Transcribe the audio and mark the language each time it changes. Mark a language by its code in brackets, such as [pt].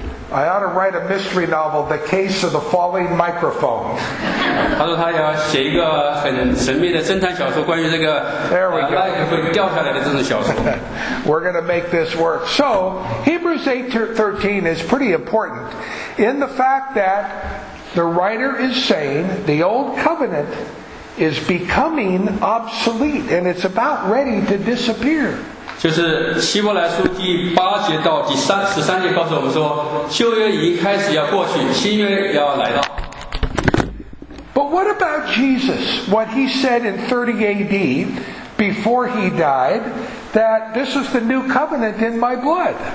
[en] I ought to write a mystery novel, The Case of the Falling Microphone. [zh] 他说他要写一个很神秘的侦探小说，关于这个 [en] There we go. [zh] 麦克风掉下来的这种小说。 [en] We're going to make this work. So, Hebrews 8:13 is pretty important in the fact that the writer is saying the old covenant is becoming obsolete and it's about ready to disappear. [zh] 就是希伯来书第八节到第三十三节告诉我们说，旧约已经开始要过去，新约要来到。 [en] But what about Jesus? What he said in 30 AD before he died, that this is the new covenant in my blood.